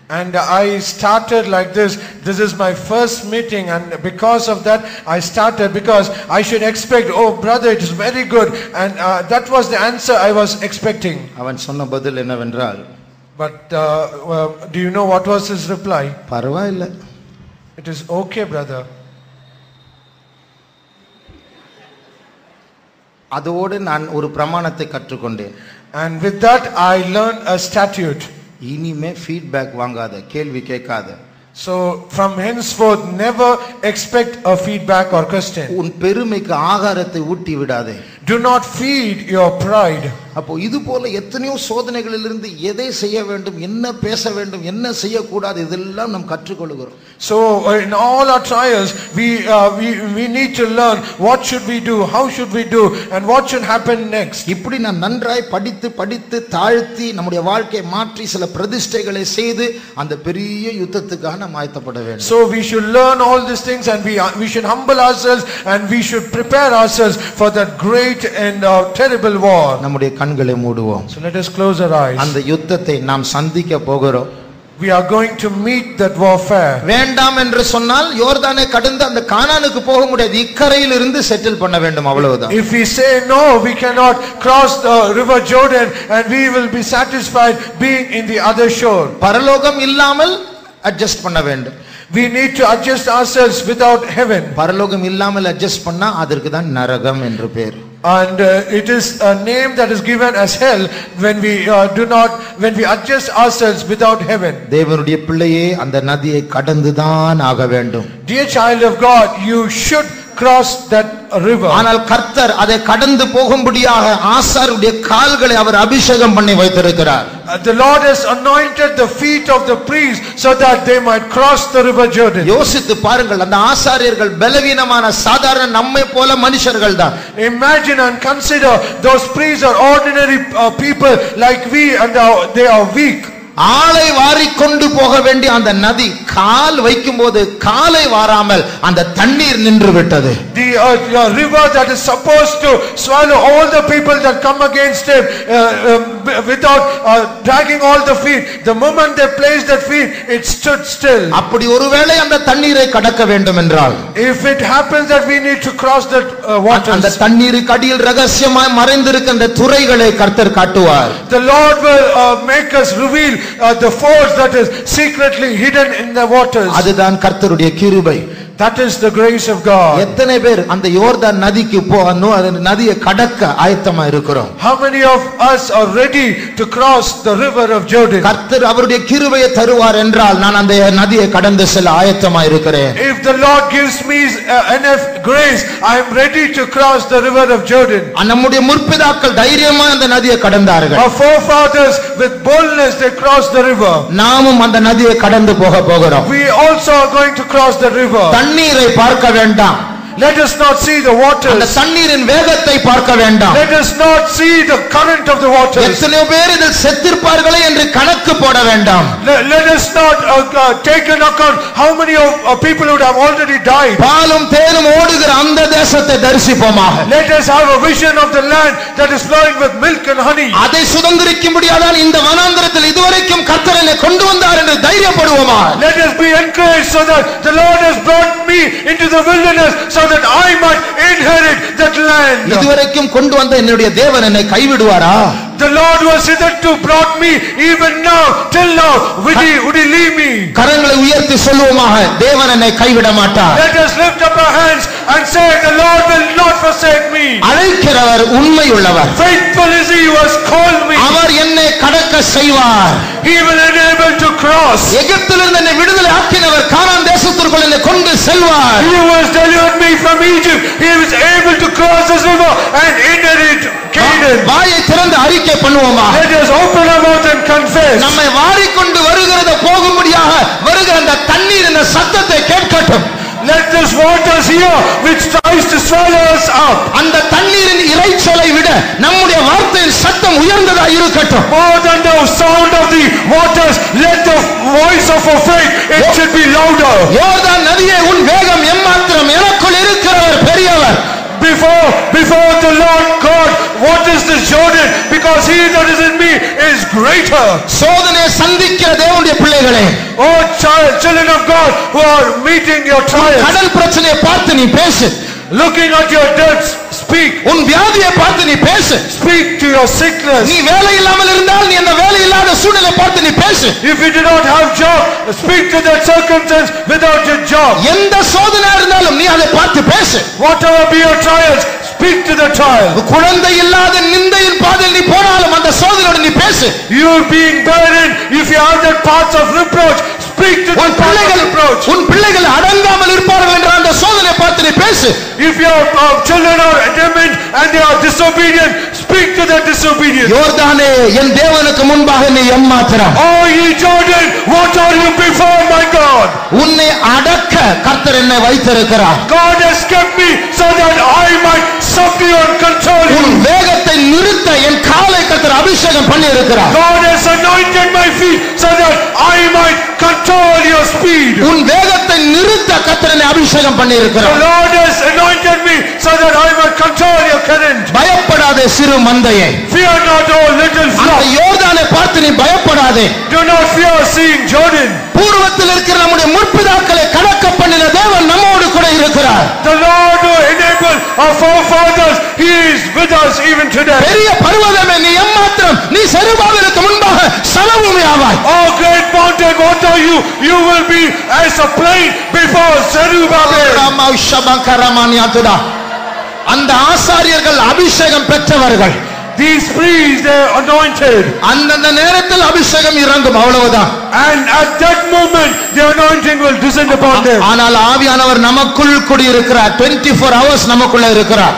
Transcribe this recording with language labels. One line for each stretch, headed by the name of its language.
English: And I started like this, this is my first meeting and because of that I started, because I should expect, oh brother it is very good, and that was the answer I was expecting.
Tamil: அவன் சொன்ன பதில் என்னவென்றால்,
English: but do you know what was his reply?
Tamil: பரவாயில்ல,
English: it is okay brother.
Tamil: அதோடு நான் ஒரு பிரமாணத்தை கற்றுக்கொண்டேன்.
English: And with that I learned a statute.
Tamil: இனிமே feedback வாங்காத, கேள்வி கேட்காத.
English: So from henceforth never expect a feedback or question.
Tamil: உன் பெருமைக்கு ஆகாரத்தை ஊட்டி விடாதே.
English: Do not feed your pride.
Tamil: அப்போ இது போல எத்தனையோ சோதனைகளிலிருந்து எதை செய்ய வேண்டும், என்ன பேச வேண்டும், என்ன செய்ய கூடாது, இதெல்லாம் நாம் கற்றுக்கொள்கிறோம்.
English: So in all our trials we need to learn what should we do, how should we do, and what should happen next.
Tamil: இப்படி நாம் நன்றாய் படித்து படித்து தாழ்த்தி நம்முடைய வாழ்க்கையை மாற்றி சில பிரதிஷ்டைகளை செய்து அந்த பெரிய யுத்தத்துக்காக நாம் ஆயத்தப்பட வேண்டும்.
English: So we should learn all these things and we should humble ourselves and we should prepare ourselves for that great and a terrible war.
Tamil: நம்முடைய கண்களை மூடுவோம்.
English: So let us close our eyes.
Tamil: அந்த யுத்தத்தை நாம் சந்திக்க போகிறோம்.
English: We are going to meet that warfare.
Tamil: வேண்டாம் என்று சொன்னால் யோர்தானை கடந்து அந்த கானானுக்கு போக முடியாது. இக்கரையில் இருந்து செட்டில் பண்ண வேண்டும், அவ்வளவுதான்.
English: If we say no, we cannot cross the river Jordan and we will be satisfied being in the other shore.
Tamil: பரலோகம் இல்லாமல் அட்ஜஸ்ட் பண்ண வேண்டும்.
English: We need to adjust ourselves without heaven.
Tamil: பரலோகம் இல்லாமல் அட்ஜஸ்ட் பண்ணா அதற்கு தான் நரகம் என்று பேர்.
English: And it is a name that is given as hell when we when we adjust ourselves without heaven.
Tamil: தேவனுடைய பிள்ளையே அந்த நதியை கடந்து தான் ஆக வேண்டும்.
English: Dear child of God, you should cross that river.
Tamil: ஆனால் கர்த்தர் அதை கடந்து போகும்படியாக ஆசாரியுடைய கால்களை அவர் அபிஷேகம் பண்ணி வைத்திருக்கிறார்.
English: The Lord has anointed the feet of the priest so that they might cross the river Jordan.
Tamil: யோசித்து பாருங்கள், அந்த ஆசாரியர்கள் பலவீனமான சாதாரண நம்மை போல மனுஷர்கள் தான்.
English: Imagine and consider, those priests are ordinary people like we and they are weak.
Tamil: ஆளை வாரி கொண்டு போக வேண்டிய அந்த நதி கால் வைக்கும் போது காலை வாராமல் அந்த தண்ணீர் நின்று விட்டது.
English: The river that is supposed to swallow all the people that come against him without dragging all the feet, the moment they placed that feet, it stood still.
Tamil: அப்படி ஒருவேளை அந்த தண்ணீரை கடக்க வேண்டும் என்றால்,
English: if it happens that we need to cross that water,
Tamil: அந்த தண்ணீருக்கு அடியில் ரகசியமாய் மறைந்திருக்கிற துறைகளை கர்த்தர் காட்டுவார்.
English: The Lord will make us reveal the force that is secretly hidden in the waters.
Tamil: அதுதான் கர்த்தருடைய கிருபை.
English: That is the grace of God.
Tamil: எத்தனை பேர் அந்த யோர்தான் நதிக்கு போகணும், அந்த நதியை கடக்க ஆயத்தமா இருக்கிறோம்?
English: How many of us are ready to cross the river of Jordan?
Tamil: கர்த்தர் அவருடைய கிருபையை தருவார் என்றால் நான் அந்த நதியை கடந்து செல்ல ஆயத்தமா இருக்கிறேன்.
English: If the Lord gives me enough grace, I am ready to cross the river of Jordan.
Tamil: நம்முடைய முற்பிதாக்கள் தைரியமா அந்த நதியை கடந்தார்கள்.
English: Our forefathers with boldness they crossed the river.
Tamil: நாமும் அந்த நதியை கடந்து போக போகிறோம்.
English: We also are going to cross the river.
Tamil: தண்ணீரை பார்க்க வேண்டாம்.
English: Let us not see the waters.
Tamil: அந்த தண்ணீரின் வேகத்தை பார்க்க வேண்டாம்.
English: Let us not see the current of the waters.
Tamil: எத்தனை பேர் இதில் செத்திருப்பார்களே என்று கணக்கு போட வேண்டாம்.
English: Let us not take an account how many of people would have already died.
Tamil: பாலும் தேனும் ஓடுகிற அந்த தேசத்தை தரிசிப்போமாக.
English: Let us have a vision of the land that is flowing with milk and honey.
Tamil: அதை சுதந்திரிக்கும்படியான இந்த வனாந்திரத்தில் இதுவரைக்கும் கர்த்தர் என்னை கொண்டு வந்தார் என்று தைரியப்படுவோமாக.
English: Let us be encouraged so that the Lord has brought me into the wilderness so that I might inherit that land.
Tamil: இதுவரைக்கும் கொண்டு வந்த என்னுடைய தேவன் என்னை கைவிடுவாரா?
English: The Lord was hitherto brought me even now till now would he leave me?
Tamil: கரங்களை உயர்த்தி சொல்லுவோமாக, தேவன் என்னை கைவிட மாட்டார்.
English: Let us lift up our hands and say the Lord will not forsake me.
Tamil: அழைக்கிறவர் உண்மையுள்ளவர்.
English: Faithful is he who has called me.
Tamil: அவர் என்னை கடக்க செய்வார்.
English: He will enable to cross.
Tamil: எகிப்திலிருந்து என்னை விடுதலை ஆக்கினவர் கானான் தேசத்திற்குள் என்னை கொண்டு செல்வார்.
English: He was delivered me from Egypt. He was able to cross this river and enter it.
Tamil: வாயை திறந்து அறிக்கை பண்ணுவோமா?
English: Let us open our mouth and confess.
Tamil: நம்மை வாரி கொண்டு வருகிறத போகும்படியாக வருகிற அந்த தண்ணீர் இந்த சத்தத்தை கேட்கட்டும்.
English: Let this water here which tries to swallow us up,
Tamil: அந்த தண்ணீரின் இறைச்சலை விட நம்முடைய வார்த்தையின் சத்தம் உயர்ந்ததா இருக்கட்டும்.
English: More than the sound of the waters, let the voice of our faith, it should be louder.
Tamil: யோர்தான் நதியே உன் வேகம் எம்மாத்திரம், எனக்குள் இருக்கிறவர் பெரியவர்.
English: Before the Lord God, what is this Jordan? Because he that is in me is greater.
Tamil: சோதனை சந்திக்கிற தேவனுடைய பிள்ளைகளே,
English: oh children of God who are meeting your trials,
Tamil: கடல் பிரச்சனையை பார்த்து நீ பேசு.
English: Looking at your debts, speak.
Tamil: உன் வியாதியை பார்த்து நீ பேசு.
English: Speak to your sickness.
Tamil: நீ வேலை இல்லாமல் இருந்தால் நீ அந்த வேலை இல்லாத சூழ்நிலை பார்த்து நீ பேசு.
English: If you do not have job, speak to that circumstance without your job.
Tamil: எந்த சோதனை இருந்தாலும் நீ அதை பார்த்து பேசு.
English: Whatever be your trials, speak to the child.
Tamil: குழந்தை இல்லாத நிந்தையின் பாதையில் நீ போனாலும் அந்த சோதனையோடு நீ பேசு.
English: You are being burdened. If you are that path of reproach, speak to the
Tamil: பிள்ளைகள் reproach. உன் பிள்ளைகள் அடங்காமல் இருப்பார்கள் என்ற அந்த சோதனையை பார்த்து நீ பேசு.
English: If your children are adamant and they are disobedient, speak to the disobedient.
Tamil: யோர்தானே, என் தேவனுக்கு முன்பாக நீ எம்மாத்திரம்.
English: Oh ye Jordan, what are you before my God?
Tamil: உன்னை அடக்க கர்த்தர் என்னை வைத்திருக்கிறார்.
English: God has kept me so that I might subdue and control you.
Tamil: உன் வேகத்தை நிறுத்த என் காலை கர்த்தர் அபிஷேகம் பண்ணி இருக்கிறார்.
English: God has anointed my feet so that I might control your speed.
Tamil: உன் வேகத்தை நிறுத்த கர்த்தர் என்னை அபிஷேகம் பண்ணி இருக்கிறார்.
English: God has anointed me so that I might control your current.
Tamil: பயப்படாதே சிறு மந்தையே.
English: Fear not, O little flock.
Tamil: அந்த யோர்தானை பார்த்து நீ பயப்படாதே.
English: Do not fear seeing Jordan.
Tamil: பூர்வத்தில் இருக்கிற நம்முடைய முற்பிதாக்களை கடக்க பண்ணின தேவன் நம்மோடு கூட இருக்கிறார்.
English: The Lord who enabled our forefathers, he is with us even today.
Tamil: பெரிய பர்வதமே, நீ எம்மாத்திரம், நீ செருபாவிற்கு முன்பாக சலபூமி ஆவாய்.
English: Oh great mountain, what are you? You will be as a plain before Zerubbabel.
Tamil: அந்த ஆசாரியர்கள் அபிஷேகம் பெற்றவர்கள்.
English: These priests, they are anointed.
Tamil: அந்தந்த நேரத்தில் அபிஷேகம் இறங்கும், அவ்வளவுதான்.
English: And at that moment, the anointing will descend upon them.
Tamil: ஆனால் ஆவியானவர் நமக்குள் குடியிருக்கிறார்.
English: 24 hours
Tamil: நமக்குள்ள இருக்கிறார்.